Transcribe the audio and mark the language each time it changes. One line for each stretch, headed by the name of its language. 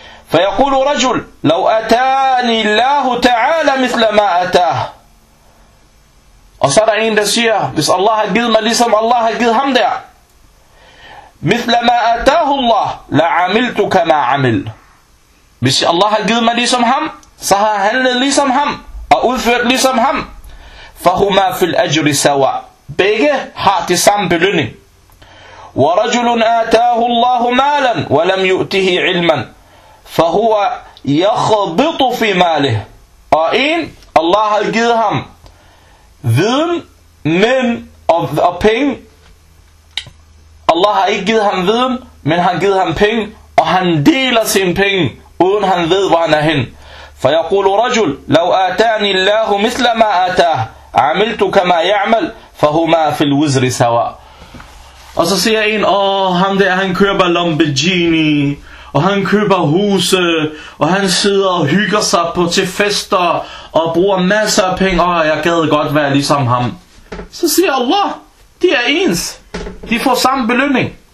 Arabic: فيقول رجل لو أتاني الله تعالى مثل ما أتاه.
Danish: Og så er der en, der siger, hvis Allah har givet mig, ligesom Allah har givet ham der.
Arabic: مثل ما أتاه الله لعملت كما عمل.
Danish: Hvis Allah har givet mig ligesom ham, så har han handlet ligesom ham og udført ligesom ham.
Arabic: فهما في الأجر سواء.
Danish: Begge har det samme belønning.
Arabic: ورجل آتاه الله مالا ولم يؤته علما فهو يخبط في ماله.
Danish: Og en, Allah har givet ham viden, men og penge. Allah har ikke givet ham viden, men han givet ham penge, og han deler sine penge, uden han ved, hvor han er hen.
Arabic: فيقول رجل لو آتاني الله مثل ما آتاه عملت كما يعمل فهما في الوزر سواء.
Danish: Og så siger en, åh, ham der, han køber Lamborghini, og han køber huse, og han sidder og hygger sig på til fester, og bruger masser af penge, og jeg gad godt være ligesom ham. Så siger Allah, de er ens. De får samme belønning.